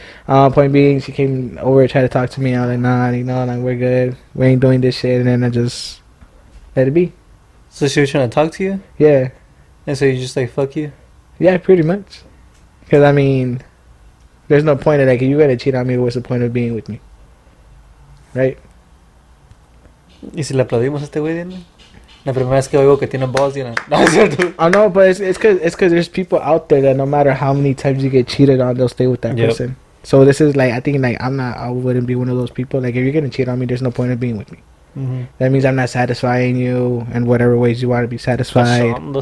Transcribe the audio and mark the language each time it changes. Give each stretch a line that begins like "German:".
English: Point being, she came over, tried to talk to me, I was like, nah, you know, like, we're good, we ain't doing this shit, and then I just let it be. So she was trying to talk to you? Yeah. And so you just like, fuck you? Yeah, pretty much. Because, I mean, there's no point in that, like, if you're going to cheat on me, what's the point of being with me? Right?
Spanish: ¿Y si le aplaudimos a este güey, dime? La primera vez que oigo que tiene balls, dime. No, es cierto.
English: I know, but it's because there's people out there that no matter how many times you get cheated on, they'll stay with that person. So this is like, I think like, I wouldn't be one of those people. Like, if you're going to cheat on me, there's no point of being with me. Mm-hmm. That means I'm not satisfying you in whatever ways you want to be satisfied.